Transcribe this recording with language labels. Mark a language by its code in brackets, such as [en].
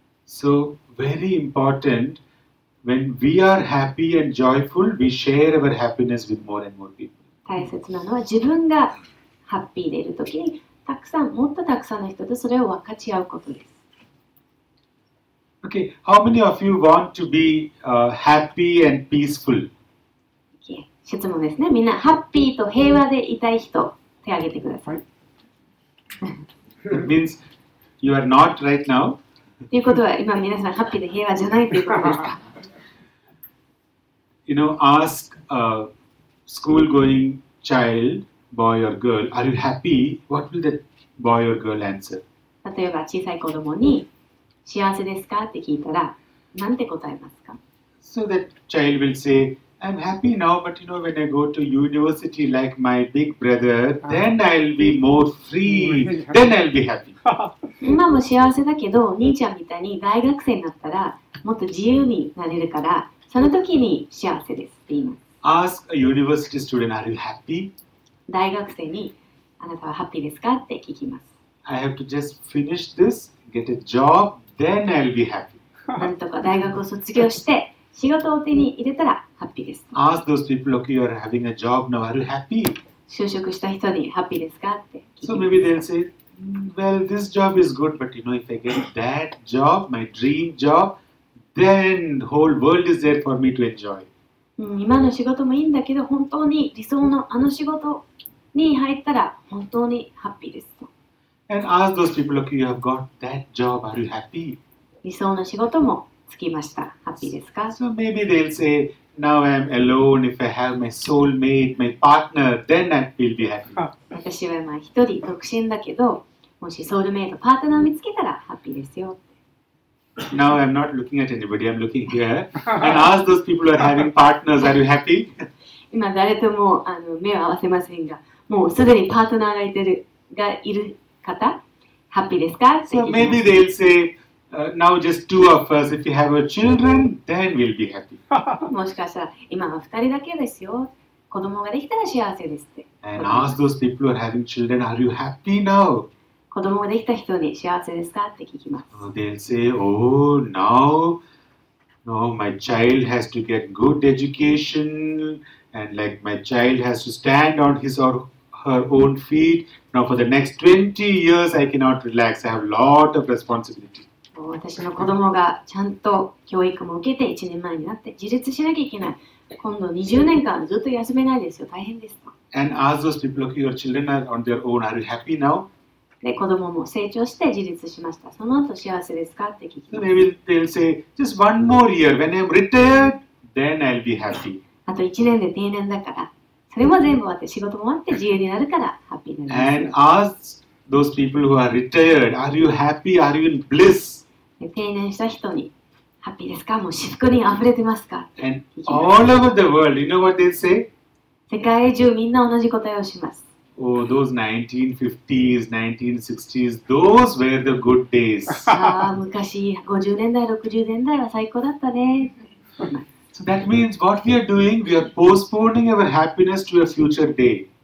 [en] So very important when we are happy and joyful, we share our happiness with more and more people. [ja] 大切なのは自分がハッピーでいるときに、たくさん、もっとたくさんの人とそれを分かち合うことです。 [en] Okay, how many of you want to be happy and peaceful? [ja] Okay, 質問ですね。みんなハッピーと平和でいたい人、手を挙げてください。 [en] It means you are not right now. [ja] ということは、今皆さんハッピーで平和じゃないということですか。 [en] You know, ask a school-going child, boy or girl, are you happy? What will that boy or girl answer? [ja] 例えば、小さい子供に幸せですかって聞いたら、なんて答えますか? [en] So that child will say, I'm happy now, but you know, when I go to university like my big brother, then I'll be more free, then I'll be happy. [ja] 今も幸せだけど、兄ちゃんみたいに大学生になったら、もっと自由になれるから、その時に幸せですって言います。 [en] Ask a university student, are you happy? [ja] 大学生にあなたはハッピーですかって聞きます。 [en] I have to just finish this, get a job, then I'll be happy. [ja] なんとか大学を卒業して仕事を手に入れたらハッピーです。 [en] Ask those people, okay, you are having a job now, are you happy? [ja] 就職した人にハッピーですかって聞きます。 [en] So maybe they'll say, well, this job is good, but you know, if I get that job, my dream job,Then the whole world is there for me to enjoy. [ja] 今の仕事もいいんだけど、本当に理想のあの仕事に入ったら本当にハッピーです。 [en] And ask those people, look, you have got that job, are you happy? [ja] 理想の仕事もつきました。ハッピーですか? [en] So maybe they'll say, now I'm alone, if I have my soulmate, my partner, then I will be happy. [ja] 私は一人独身だけど、もしソウルメイト、パートナーを見つけたらハッピーですよ。 [en] Now I'm not looking at anybody, I'm looking here. And ask those people who are having partners, are you happy? [ja] 今誰とも目を合わせませんが、もうすでにパートナーがいる方、ハッピーですか? [en] So maybe they'll say, now just two of us, if you have a children, then we'll be happy. [ja] もしかしたら今は二人だけですよ。子供ができたら幸せですって。 [en] And ask those people who are having children, are you happy now? [ja] 子供ができた人に幸せですかって聞きます。 [en] They'll say, oh, now, no, my child has to get good education, and like my child has to stand on his or her own feet. Now for the next 20 years, I cannot relax. I have a lot of responsibility. [ja] 私の子供がちゃんと教育も受けて1年前になって自立しなきゃいけない。今度20年間ずっと休めないですよ。大変です。 [en] And ask those people, look, your children are on their own. Are you happy now? [ja] で子供も成長して自立しました。その後幸せですかって聞きます。 [en] Maybe they'll say, just one more year. When I'm retired, then I'll be happy. [ja] あと1年で定年だから、それも全部終わって仕事も終わって自由になるからハッピーになります。 [en] And ask those people who are retired, are you happy? Are you in bliss? [ja] で定年した人に、ハッピーですか?もう至福に溢れてますか? [en] And all over the world, you know what they say? [ja] 世界中みんな同じ答えをします。 [en] Oh, those 1950s, 1960s, those were the good days. [ja] Ah, 昔50年代、60年代は最高だったね。 [en] So that means what we are doing, we are postponing our happiness to a future day.